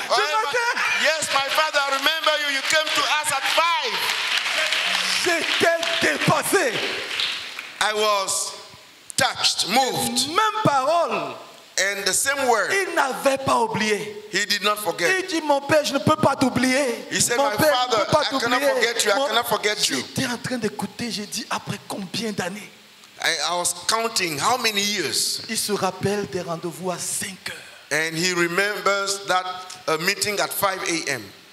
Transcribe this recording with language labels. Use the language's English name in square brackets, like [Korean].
[English] Oh, my, yes, my father, I remember you, you came to us at 5. [French] J'étais dépassé. [English] I was touched, moved. [French] Même parole. [English] And the same word. [French] Il n'avait pas oublié. [English] He did not forget. [French] Il dit, mon père, je ne peux pas t'oublier. [English] He said, [French] mon [English] my [French] père, [English] father, I cannot forget you. I cannot forget you. [French] J'étais en train d'écouter. J'ai dit, après combien d'années? [English] I was counting how many years. [French] Il se rappelle des rendez-vous à 5 heures. [English] And he remembers that a meeting at 5 a.m.